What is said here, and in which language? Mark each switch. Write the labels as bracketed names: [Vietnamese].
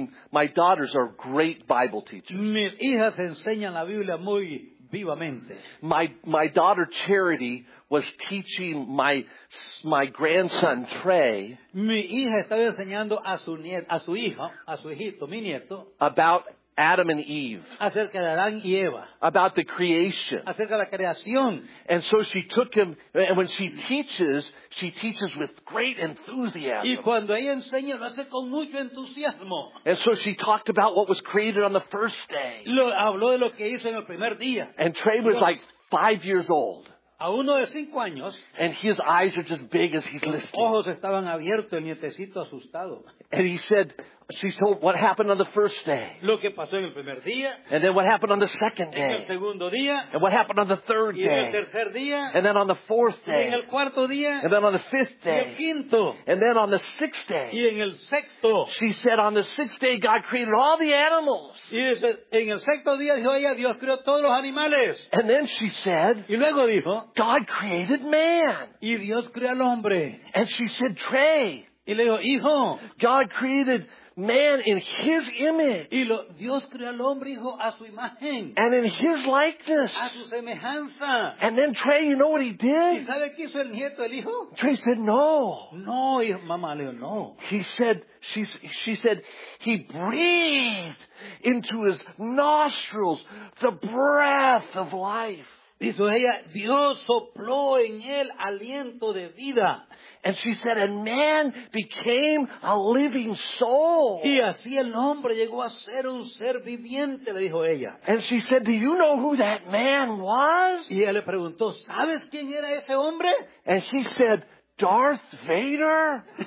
[English] My daughters are great Bible teachers. [Spanish] Mis hijas enseñan la Biblia muy vivamente. [English] My daughter Charity was teaching my grandson Trey. [Spanish] Mi hija estaba enseñando a su hijito, mi nieto. [English] About Adam and Eve. [Spanish] Acerca de Adán y Eva. [English] About the creation. [Spanish] Acerca de la creación. [English] And so she took him, and when she teaches with great enthusiasm. [Spanish] Y cuando ella enseña, lo hace con mucho entusiasmo. [English] And so she talked about what was created on the first day. [Spanish] Habló de lo que hizo en el primer día. [English] And Trey was like 5 years old. [Spanish] A uno de cinco años, [English] and his eyes are just big as he's listening. [Spanish] Ojos estaban abiertos, el nietecito asustado. [English] And he said, she told what happened on the first day. [Spanish] Lo que pasó en el primer día, [English] and then what happened on the second day. [Spanish] En el segundo día, [English] and what happened on the third [Spanish] y [English] day. [Spanish] En el tercer día, [English] and then on the fourth day. [Spanish] En el cuarto día, [English] and then on the fifth day. [Spanish] Y el quinto, [English] and then on the sixth day. [Spanish] Y en el sexto, [English] she said, on the sixth day, God created all the animals. [Spanish] Y dice, en el sexto día, dijo ella, Dios creó todos los animales. [English] And then she said, [Spanish] y luego dijo, [English] God created man. [Spanish] Y Dios creó al hombre. [English] And she said, Trey. [Spanish] Y le dijo, hijo. [English] God created man in his image. [Spanish] Y Dios creó al hombre, hijo, a su imagen. [English] And in his likeness. [Spanish] A su semejanza. [English] And then Trey, you know what he did? [Spanish] ¿Y sabe qué hizo el nieto, el hijo? [English] Trey said, no. [Spanish] No, y mamá le dijo, no. [English] He said, she said, he breathed into his nostrils the breath of life. [Spanish] Dijo ella, Dios sopló en él aliento de vida. [English] And she said, a man became a living soul. [Spanish] Y así el hombre llegó a ser un ser viviente, le dijo ella. [English] And she said, do you know who that man was? [Spanish] Y ella le preguntó, ¿sabes quién era ese hombre? [English] And she said, Darth Vader.